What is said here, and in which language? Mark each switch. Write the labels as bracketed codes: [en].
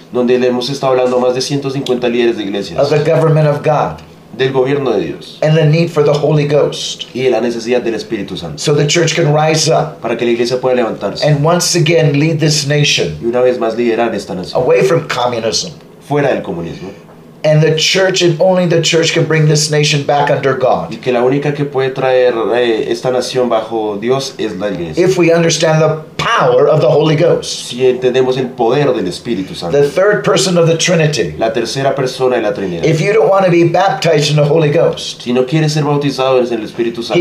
[es] Donde le hemos estado hablando a más de 150 líderes de iglesias. [en] Of the government of God. [es] Del gobierno de Dios. [en] And the need for the Holy Ghost. [es] Y la necesidad del Espíritu Santo. [en] So the church can rise up. [es] Para que la iglesia pueda levantarse. [en] And once again lead this nation. [es] Y una vez más liderar esta nación. [en] Away from communism. [es] Fuera del comunismo. [en] And the church, and only the church, can bring this nation back under God. [es] Y que la única que puede traer esta nación bajo Dios es la iglesia. [en] If we understand the power of the Holy Ghost. [es] Si entendemos el poder del Espíritu Santo. [en] The third person of the Trinity. [es] La tercera persona de la Trinidad. [en] If you don't want to be baptized in the Holy Ghost. [es] Si no quieres ser bautizado en el Espíritu Santo.